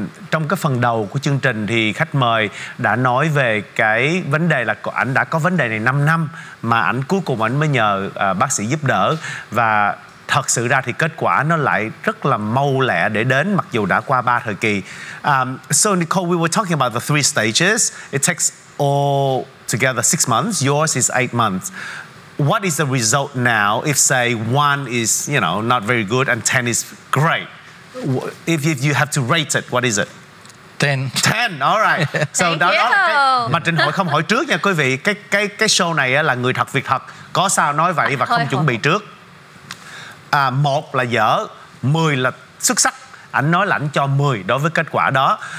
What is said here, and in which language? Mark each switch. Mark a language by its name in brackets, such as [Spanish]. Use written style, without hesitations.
[Vietnamese] Trong cái phần đầu của chương trình thì khách mời đã nói về cái vấn đề là ảnh đã có vấn đề này 5 năm mà ảnh cuối cùng ảnh mới nhờ bác sĩ giúp đỡ, và thật sự ra thì kết quả nó lại rất là mau lẹ để đến mặc dù đã qua 3 thời kỳ. [English] So Nicole, we were talking about the 3 stages. It takes all together 6 months, yours is 8 months. What is the result now if say one is, you know, not very good and 10 is great? If you have to rate it, what is it? 10. 10, all right. So [Vietnamese] mà Trình hỏi không hỏi trước nha quý vị. Cái show này là người thật việc thật. Có sao nói vậy và không chuẩn bị trước. Một là dở, 10 là xuất sắc. Anh nói là anh cho 10 đối với kết quả đó.